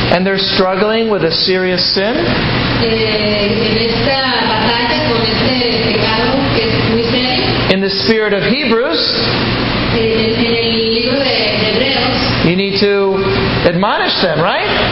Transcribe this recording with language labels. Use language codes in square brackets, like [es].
[en] and they're struggling with a serious sin, [es] en esta batalla con este pecado que es muy serio, [en] in the spirit of Hebrews, [es] en el libro de Hebreos, [en] you need to admonish them, right?